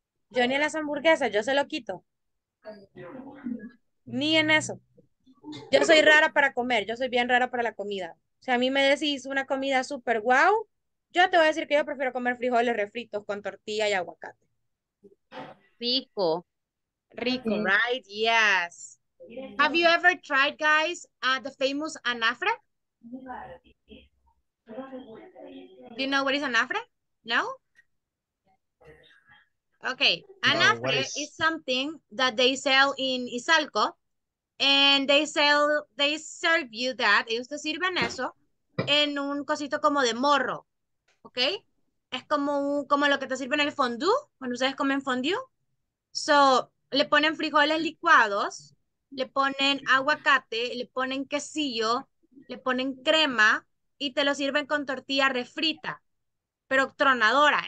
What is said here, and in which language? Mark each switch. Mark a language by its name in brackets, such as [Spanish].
[Spanish] Yo ni en las hamburguesas, yo se lo quito. Ni en eso. Yo soy rara para comer, yo soy bien rara para la comida. Si a mí me decís una comida súper guau, yo te voy a decir que yo prefiero comer frijoles refritos con tortilla y aguacate. Pico. Rico, mm-hmm. [English] Right? Yes. Have you ever tried, guys, the famous anafre? Do you know what is anafre? No? Okay. Anafre is something that they sell in Izalco, and they serve you that. [Spanish] Ellos te sirven eso en un cosito como de morro. [English] Okay? [Spanish] Es como lo que te sirven en el fondue, cuando ustedes comen fondue. [English] So, [Spanish] le ponen frijoles licuados, le ponen aguacate, le ponen quesillo, le ponen crema y te lo sirven con tortilla refrita, pero tronadora.